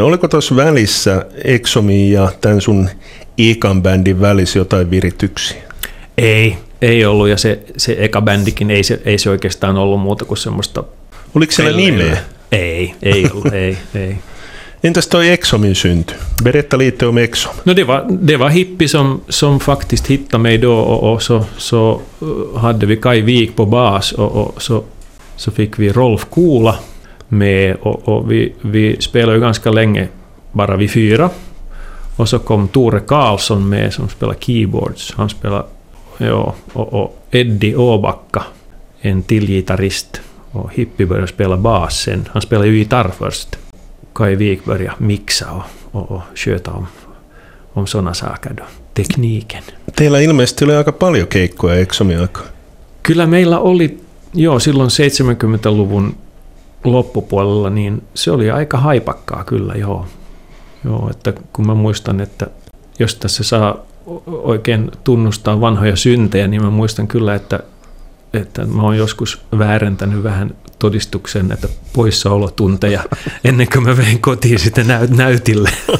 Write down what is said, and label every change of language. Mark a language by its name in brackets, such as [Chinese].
[Finnish] Oliko tuossa välissä Exxonin ja tämän sun ekan bändin välissä jotain virityksiä? Ei ollut, ja se eka bändikin ei se oikeastaan ollut muuta kuin semmoista. Oliko siellä nimeä? Ei ollut. Entäs toi Exxonin synty? Beretta liittyy Exxon. [Swedish] No det var hippie som faktiskt hittade mig då och så hade vi Kai Wik på bas och så fick vi Rolf Kula med och vi spelade ju ganska länge, bara vi fyra. Och så kom Ture Karlsson med som spelade keyboards. Han spelade, ja, och Eddie Åbacka, en till gitarrist. Och hippie började spela bas sen. Han spelade ju gitarr först. Kai Wik börja mixa och sköta om såna saker då, tekniken. [Finnish] Teillä ilmeisesti oli aika paljon keikkoja Exxonin aikaa. Kyllä meillä oli, joo, silloin 70-luvun loppupuolella, niin se oli aika haipakkaa kyllä, joo. Joo, että kun mä muistan, että jos tässä saa oikein tunnustaa vanhoja syntejä, niin mä muistan kyllä, että mä oon joskus väärentänyt vähän todistuksen, että poissaolotunteja ennen kuin mä vein kotiin sitä näytille.